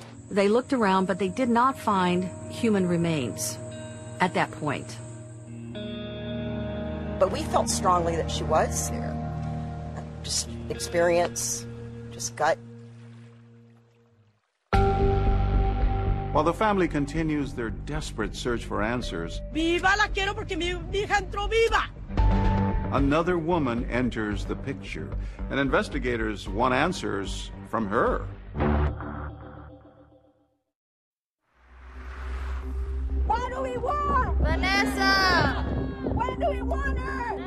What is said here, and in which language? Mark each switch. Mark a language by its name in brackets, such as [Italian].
[English] They looked around, but they did not find human remains at that point. But we felt strongly that she was here. just experience, just gut. While the family continues their desperate search for answers, [Spanish] viva la quiero porque mi hija entró viva. [English] Another woman enters the picture, and investigators want answers from her. What do we want? Vanessa! When do we want her?